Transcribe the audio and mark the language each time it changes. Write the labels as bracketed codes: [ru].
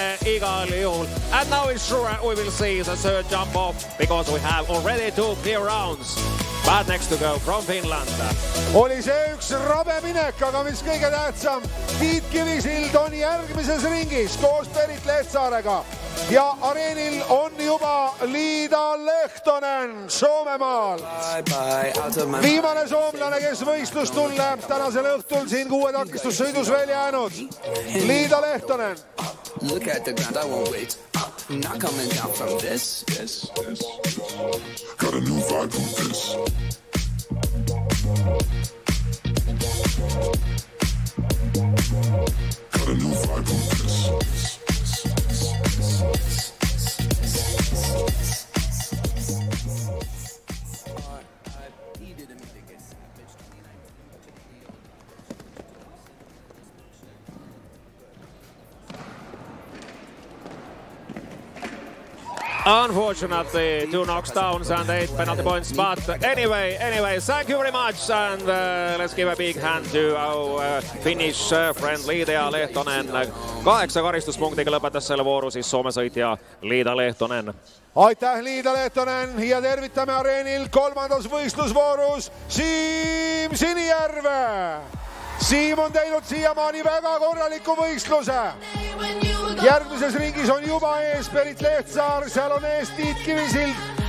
[en] And now it's sure we will see the third jump off because we have already two clear rounds. But next to go from Finland. [et] Oli see üks rabe minek, aga mis kõige tähtsam. Tiit Kivisild on järgmises ringis koos Perit Lehtsaarega. Ja areenil on juba Liida Lehtonen Soomemaalt. Viimane soomlane, kes võistlust tunneb tänasel õhtul siin kuue takistussõidus veel jäänud. Liida Lehtonen. [en] Look at the ground, I won't wait. Not coming down from this. Got a new vibe with this. Got a new vibe with this. Unfortunately, two knocks downs and eight penalty points, but anyway, thank you very much, and let's give a big hand to our Finnish friend Liida Lehtonen. [et] 8 karistuspunktiga lõpetas selle vooru siis Soome sõitja Liida Lehtonen. Aitäh, Liida Lehtonen, ja tervitame areenil kolmandas võistlusvoorus Siim Sinijärve. Siim on teinud siiamaani väga korraliku võistluse. Järgmises ringis on juba ees Perit Lehtsaar, seal on ees Tiit Kivisild.